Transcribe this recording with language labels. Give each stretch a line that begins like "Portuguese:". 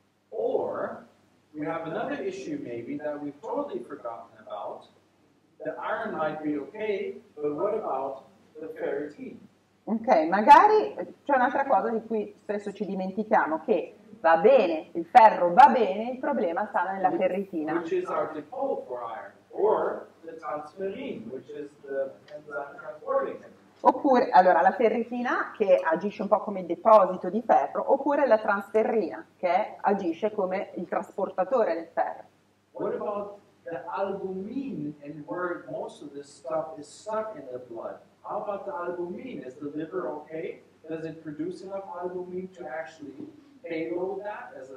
English: Or we have another issue maybe that we've totally forgotten about, The iron might be okay, but what about the ferritin?
Italian: Ok, magari c'è un'altra cosa di cui spesso ci dimentichiamo, che va bene, il ferro va bene, il problema sta nella ferritina.
English: Which is our depot for iron, or the transferrin, which is the enzyme transporting it.
Italian: Oppure, allora, la ferritina che agisce un po' come il deposito di ferro, oppure la transferrina che agisce come il trasportatore del ferro.
English: What about the albumin and where most of this stuff is stuck in the blood? How about the albumin? Is the liver okay? Does it produce enough albumin to actually payload that